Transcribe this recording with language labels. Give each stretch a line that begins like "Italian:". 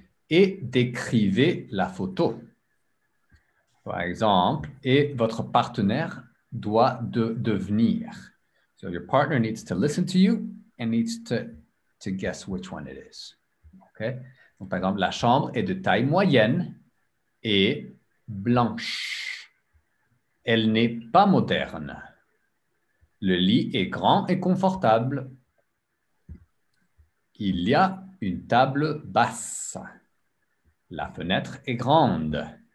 French: Et décrivez la photo, par exemple, et votre partenaire doit devenir.
English: So, your partner needs to listen to you and needs to guess which one it is. Okay.
French: Donc, par exemple, la chambre est de taille moyenne et blanche. Elle n'est pas moderne. Le lit est grand et confortable. Il y a une table basse. La fenêtre est grande.